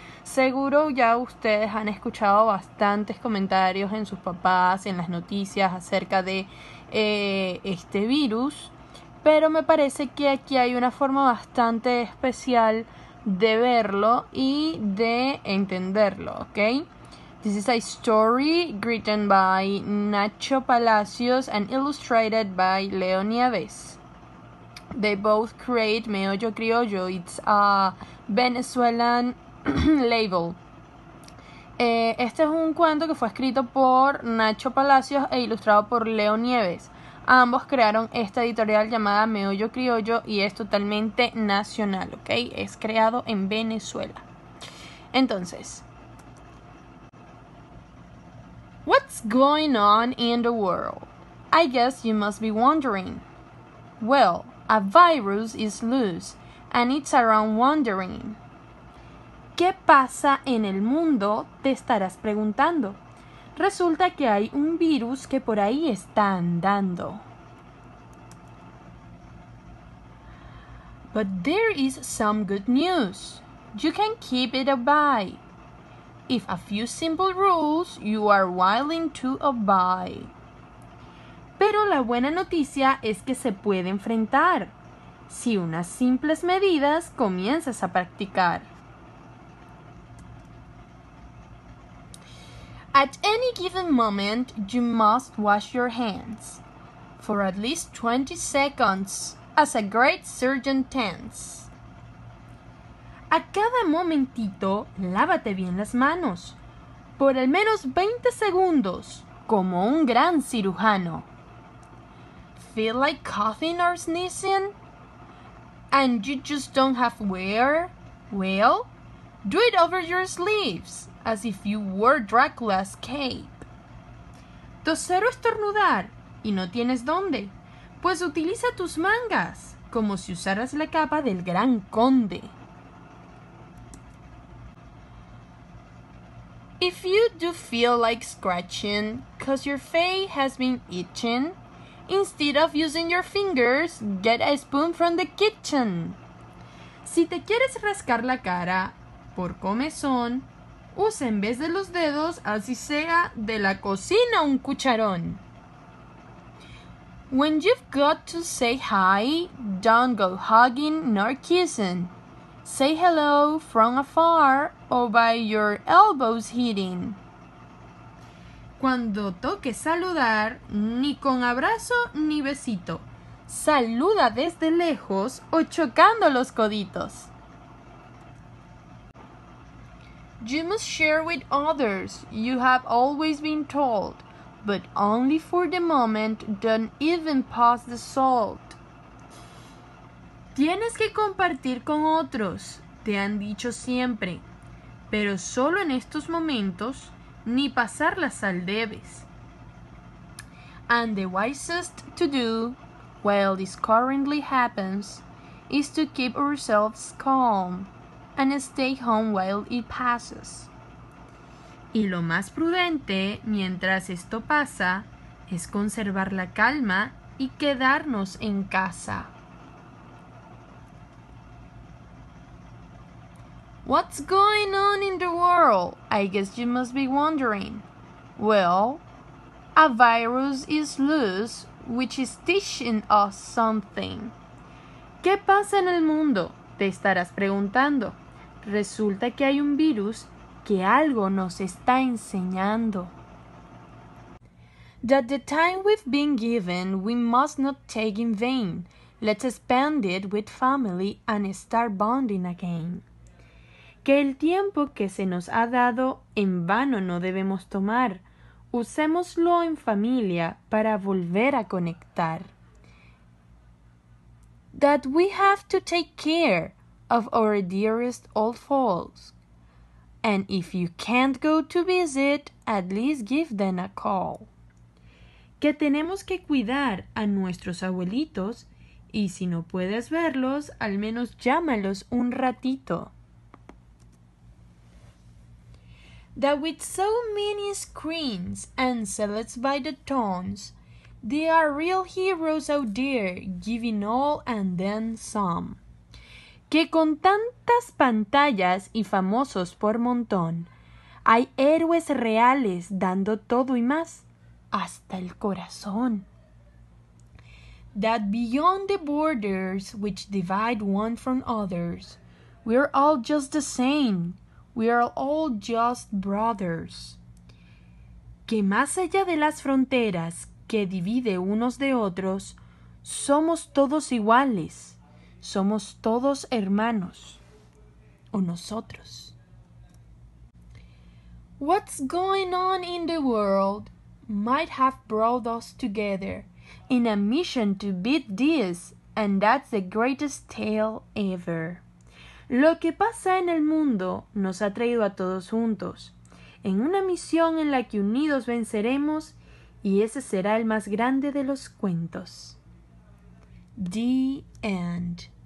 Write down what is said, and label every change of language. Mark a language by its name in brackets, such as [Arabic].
[Spanish] Seguro ya ustedes han escuchado bastantes comentarios en sus papás, en las noticias acerca de este virus, pero me parece que aquí hay una forma bastante especial de verlo y de entenderlo, ¿ok? [English] This is a story written by Nacho Palacios and illustrated by Leo Nieves. They both create Meollo Criollo. It's a Venezuelan label. [Spanish] Este es un cuento que fue escrito por Nacho Palacios e ilustrado por Leo Nieves. Ambos crearon esta editorial llamada Meollo Criollo y es totalmente nacional, ¿ok? Es creado en Venezuela. Entonces, [English] what's going on in the world? I guess you must be wondering. Well, a virus is loose and it's around wandering. [Spanish] ¿Qué pasa en el mundo? Te estarás preguntando. Resulta que hay un virus que por ahí está andando. [English] But there is some good news. You can keep it away. If a few simple rules, you are willing to obey. [Spanish] Pero la buena noticia es que se puede enfrentar si unas simples medidas comienzas a practicar. [English] At any given moment, you must wash your hands for at least 20 seconds, as a great surgeon tells. [Spanish] A cada momentito, lávate bien las manos, por al menos 20 segundos, como un gran cirujano. [English] Feel like coughing or sneezing? And you just don't have where? Well, do it over your sleeves, as if you wore Dracula's cape. [Spanish] Toser o estornudar, y no tienes dónde, pues utiliza tus mangas, como si usaras la capa del gran conde. [English] If you do feel like scratching, cause your face has been itching, instead of using your fingers, get a spoon from the kitchen. [Spanish] Si te quieres rascar la cara por comezón, usa en vez de los dedos, así sea de la cocina, un cucharón. [English] When you've got to say hi, don't go hugging nor kissing. Say hello from afar or by your elbows hitting. [Spanish] Cuando toque saludar, ni con abrazo ni besito. Saluda desde lejos o chocando los coditos. [English] You must share with others, you have always been told, but only for the moment, don't even pass the salt. [Spanish] Tienes que compartir con otros, te han dicho siempre, pero solo en estos momentos, ni pasar la sal debes. [English] And the wisest to do, while this currently happens, is to keep ourselves calm and stay home while it passes. [Spanish] Y lo más prudente, mientras esto pasa, es conservar la calma y quedarnos en casa. [English] What's going on in the world? I guess you must be wondering. Well, a virus is loose, which is teaching us something. [Spanish] ¿Qué pasa en el mundo? Te estarás preguntando. Resulta que hay un virus que algo nos está enseñando. [English] That the time we've been given, we must not take in vain. Let's spend it with family and start bonding again. [Spanish] Que el tiempo que se nos ha dado en vano no debemos tomar. Usémoslo en familia para volver a conectar. [English] That we have to take care of our dearest old folks. And if you can't go to visit, at least give them a call. [Spanish] Que tenemos que cuidar a nuestros abuelitos, y si no puedes verlos, al menos llámalos un ratito. [English] That with so many screens and cellets by the tons, they are real heroes out there, giving all and then some. [Spanish] Que con tantas pantallas y famosos por montón, hay héroes reales dando todo y más, hasta el corazón. [English] That beyond the borders which divide one from others, we're all just the same. We are all just brothers. [Spanish] Que más allá de las fronteras que divide unos de otros, somos todos iguales. Somos todos hermanos. O nosotros. [English] What's going on in the world might have brought us together in a mission to beat this, and that's the greatest tale ever. [Spanish] Lo que pasa en el mundo nos ha traído a todos juntos, en una misión en la que unidos venceremos, y ese será el más grande de los cuentos. [English] The end.